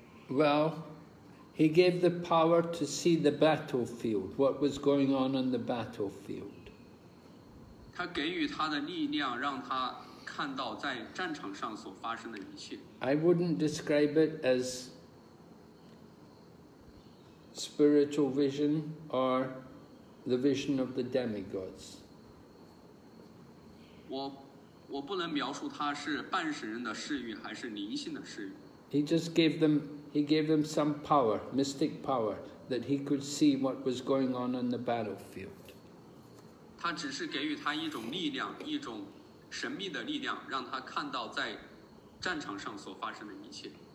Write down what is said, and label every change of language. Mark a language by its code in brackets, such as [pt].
[en] Well, he gave the power to see the battlefield, what was going on the battlefield. [zh] 他给予他的力量让他看到在战场上所发生的一切。 [en] I wouldn't describe it as spiritual vision or the vision of the demigods. [zh] 我不能描述他是半神人的誓欲还是灵性的誓欲。 [en] He gave them some power, mystic power, that he could see what was going on the battlefield. [zh] 他只是给予他一种力量，一种神秘的力量，让他看到在战场上所发生的一切。